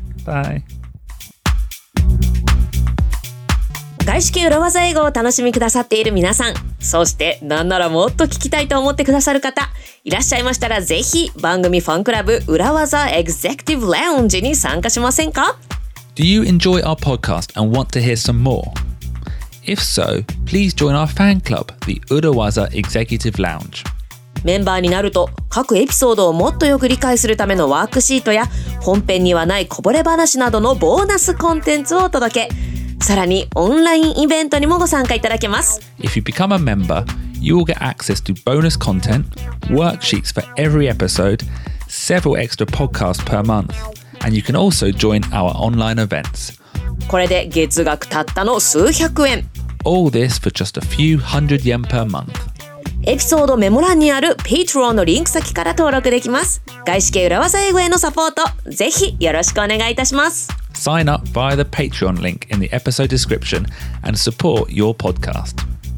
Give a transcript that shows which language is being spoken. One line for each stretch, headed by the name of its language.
Japanese: バイ。外資系裏技英語を楽しみくださっている皆さん、そしてなんならもっと聞きたいと思ってくださる方いらっしゃいましたら、ぜひ番組ファンクラブ裏技エグゼクティブラウンジに参加しませんか？
English: Do you enjoy our podcast and want to hear some more? If so, please join our fan club, the Urawaza Executive Lounge.
Japanese: メンバーになると、各エピソードをもっとよく理解するためのワークシートや、本編にはないこぼれ話などのボーナスコンテンツをお届け。さらに、オンラインイベントにもご参加いただけます。
English: If you become a member, you will get access to bonus content, worksheets for every episode, several extra podcasts per month, and you can also join our online events.
Japanese: これで月額たったの数百円。
English: All this for just a few hundred yen per month.
Japanese: エピソードメモ欄にある Patreon のリンク先から登録できます。外資系裏技英語へのサポート、ぜひよろしくお願いいたします。
English: Sign up via the Patreon link in the episode description and support your podcast.